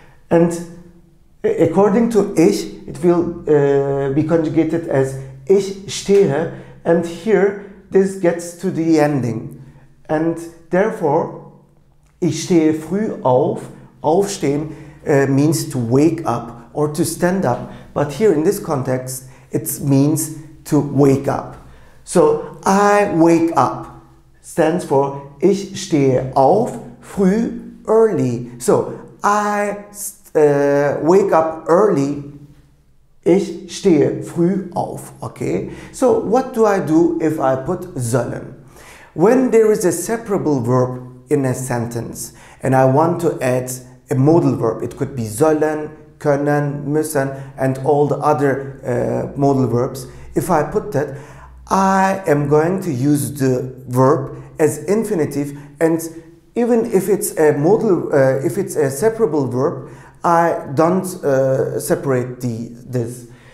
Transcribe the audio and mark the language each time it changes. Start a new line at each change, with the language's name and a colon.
English: And according to ich, it will be conjugated as
German: ich stehe,
English: and here, this gets to the ending. And therefore,
German: ich stehe früh auf,
English: aufstehen means to wake up or to stand up. But here in this context, it means to wake up. So, I wake up stands for
German: ich stehe auf früh,
English: early. So, I wake up early,
German: ich stehe früh auf,
English: okay? So, what do I do if I put sollen? When there is a separable verb in a sentence and I want to add a modal verb, it could be
German: sollen, können, müssen,
English: and all the other modal verbs, if I put that, I am going to use the verb as infinitive, and even if it's a modal, if it's a separable verb, I don't separate this.